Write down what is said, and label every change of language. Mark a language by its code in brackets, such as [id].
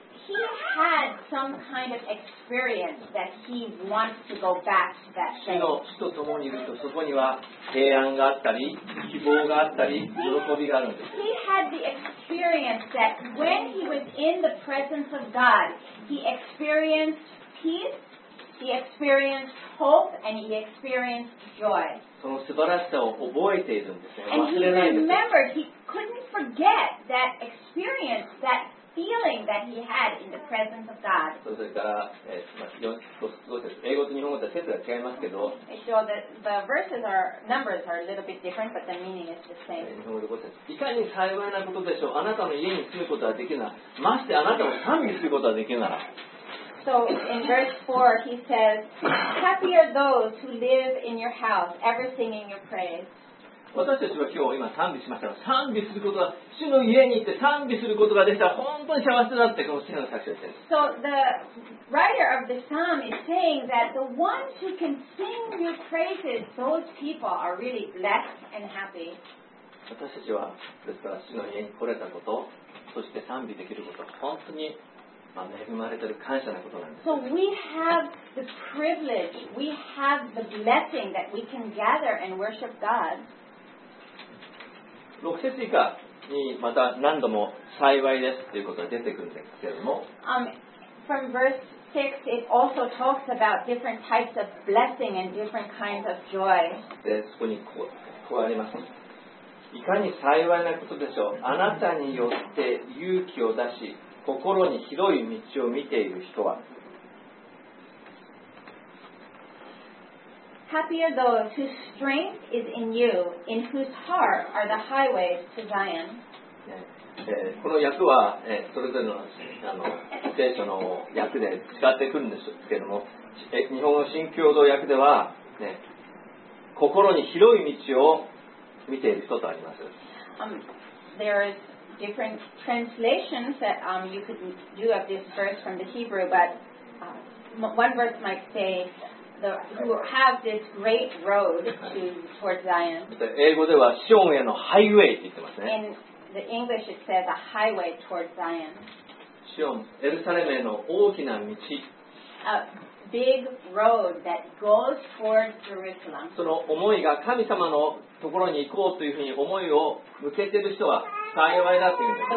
[en] He had some kind of experience that he wants to go back to that place. [ja] 主と共にいるとそこには平安があったり、希望があったり、喜びがあるんです。 [en] He had the experience that when he was in the presence of God, he experienced peace, he experienced hope, and he experienced joy. [ja] その素晴らしさを覚えているんですね。 [en] And [ja] 忘れないんです。 [en] He remembered, he couldn't forget that experience, that feeling that he had in the presence of God. [ja] それから、英語と日本語とは説が違いますけど、 [en] the verses are, numbers are a little bit different, but the meaning is the same. [ja] 日本語で言うと、いかに幸いなことでしょう。あなたの家に住むことはできるなら、ましてあなたを賛美することはできるなら。 [en] So in verse 4, he says, happy are those who live in your house, ever singing your praise. [ja] 私たちは今賛美しましたが、賛美することは主の家に行って賛美することができたら本当に幸せだってこの詩の作者です。 [en] So the writer of the psalm is saying that the ones who can sing your praises, those people are really blessed and happy. [ja] 私たちはですから主の家に来れたこと、そして賛美できること、本当に恵まれている感謝なことなんです。 [en] So we have the privilege, we have the blessing that we can gather and worship God. [ja] 6節以下にまた何度も幸いですということが出てくるんですけれども、 [en] from verse 6 it also talks about different types of blessing and different kinds of joy. [ja] でそこにこうあります。いかに幸いなことでしょう。あなたによって勇気を出し心に広い道を見ている人は。 [en] Happy are those whose strength is in you, in whose heart are the highways to Zion. [ja] この訳は、それぞれの、聖書の訳で使ってくるんですけども、日本語新共同訳では、ね、心に広い道を見ている人とあります。 [en] There is different translations that you could do of this verse from the Hebrew, but one verse might say,who have this great road to towards Zion. [ja] 英語ではシオンへのハイウェイって言ってますね。 [en] In the English it says a highway towards Zion. [ja] シオン、エルサレムへの大きな道。 [en] A big road that goes towards Jerusalem. [ja] その思いが神様のところに行こうというふうに思いを向けている人は幸いだって言うんです。